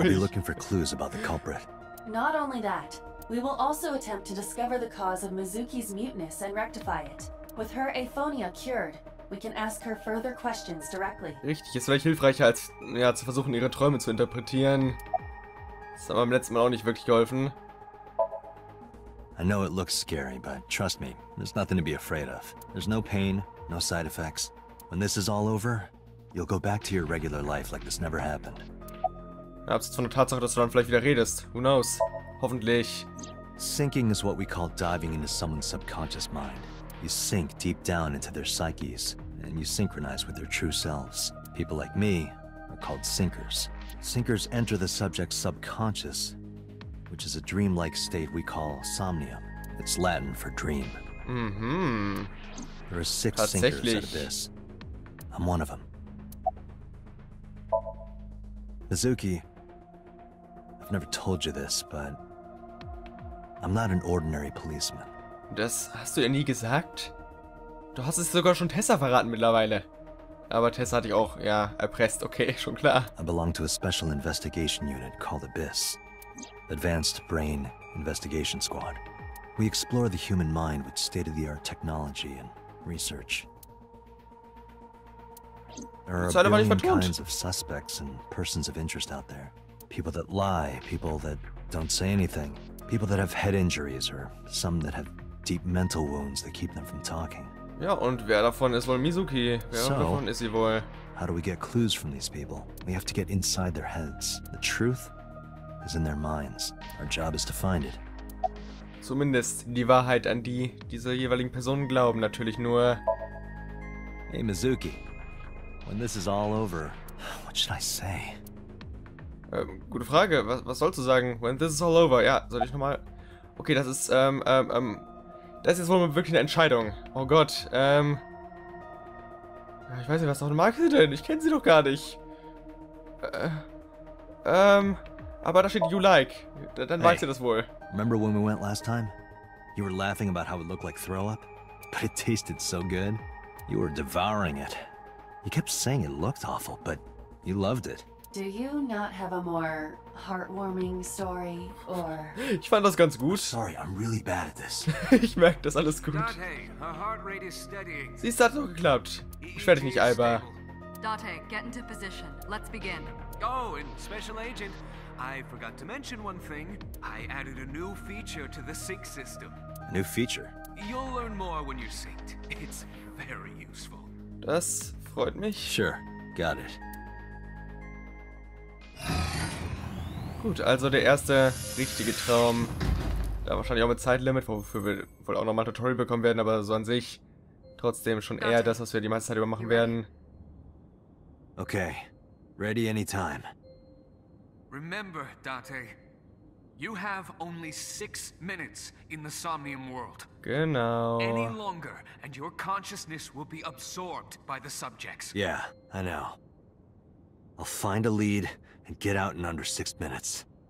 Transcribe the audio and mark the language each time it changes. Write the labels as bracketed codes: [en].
[en] I'll be looking for clues about the culprit. Not only that, we will also attempt to discover the cause of Mizuki's muteness and rectify it. With her aphonia cured, we can ask her further questions directly. [de] Richtig, ist vielleicht hilfreicher als ja, zu versuchen, ihre Träume zu interpretieren. Das hat mir beim letzten Mal auch nicht wirklich geholfen. [en] I know it looks scary, but trust me, there's nothing to be afraid of. There's no pain, no side effects. When this is all over, you'll go back to your regular life like this never happened. [de] Abseits von der Tatsache, dass du dann vielleicht wieder redest. [en] Who knows? [de] Hoffentlich. [en] Sinking is what we call diving into someone's subconscious mind. You sink deep down into their psyches, and you synchronize with their true selves. People like me are called sinkers. Sinkers enter the subject's subconscious, which is a dreamlike state we call somnium. It's Latin for dream. Mm-hmm. There are six sinkers out of this. I'm one of them. Mizuki, I've never told you this, but I'm not an ordinary policeman. [de] Das hast du ja nie gesagt. Du hast es sogar schon Tessa verraten mittlerweile. Aber Tessa hatte ich auch, ja, erpresst. Okay, schon klar. [en] I belong to a special investigation unit called Abyss. Advanced Brain Investigation Squad. We explore the human mind with state-of-the-art technology and research. There are a billion kinds of suspects and persons of interest out there. People that lie, people that don't say anything, people that have head injuries or some that have deep mental wounds that keep them from talking. [de] Ja, und wer davon ist wohl Mizuki? Wer davon ist sie wohl? [en] How do we get clues from these people? We have to get inside their heads. The truth is in their minds. Our job is to find it. [de] Zumindest die Wahrheit, an die diese jeweiligen Personen glauben, natürlich nur. [en] Hey Mizuki. When this is all over, what should I say? [de] Gute Frage. Was sollst du sagen? [en] When this is all over, [de] ja, soll ich nochmal? Okay, das ist das ist jetzt wohl wirklich eine Entscheidung. Oh Gott, ich weiß nicht, was ist auch eine Marke denn? Ich kenne sie doch gar nicht. Aber da steht [en] you like. [de] Dann weißt du das wohl. [en] Remember when we went last time? You were laughing about how it looked like throw up, but it tasted so good. You were devouring it. You kept saying it looked awful, but you loved it. Do you not have a more heartwarming story, or? [de] Ich fand das ganz gut. [en] Sorry, I'm really bad at this. [de] Ich merke das alles gut. [en] Dante, her heart rate is steadying. [de] Sie ist, hat so geklappt. Beschwer dich nicht, Alba. [en] Date, get into position. Let's begin. Oh, and Special Agent, I forgot to mention one thing. I added a new feature to the sync system. A new feature? You'll learn more when you're synced. It's very useful. [de] Das freut mich. [en] Sure, got it. [de] Gut, also der erste richtige Traum. Da wahrscheinlich auch mit Zeitlimit, wofür wir wohl auch nochmal ein Tutorial bekommen werden, aber so an sich trotzdem schon eher das, was wir die meiste Zeit über machen werden. [en] Okay, ready anytime. Remember, Date, you have only 6 minutes in the Somnium world. [de] Genau. [en] Any longer and your consciousness will be absorbed by the subjects. Yeah, I know. I'll find a lead and get out in under 6 minutes.